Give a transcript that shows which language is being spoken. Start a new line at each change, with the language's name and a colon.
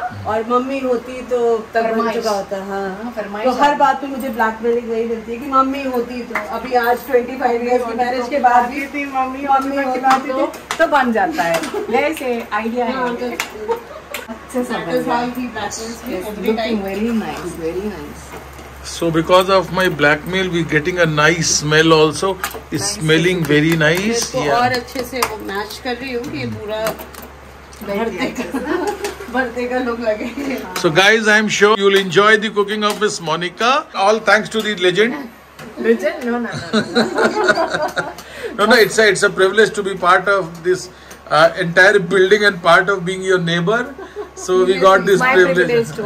Hindi: और मम्मी होती तो तब बन चुका होता। हाँ, तो हर बात पे मुझे ब्लैकमेलिंग नहीं मिलती है कि मम्मी होती तो, अभी आज 25 इयर्स की मैरिज के बाद भी थी मम्मी, और मम्मी होती तो बन जाता है। वैसे आइडिया है, अच्छे से बन गया, looking
English: Very nice, very nice. So because of my blackmail, we getting a nice smell also. It's nice, smelling very nice. Yeah.
Hindi: और अच्छे से वो मैच कर रही हूँ कि पूरा
English: So guys, I am sure you will enjoy the cooking of Miss Monika. All thanks to the legend. Legend? No, no, no. No, no, it's a privilege to be part of this entire building and part of being your neighbor. So we got this privilege. My privilege too.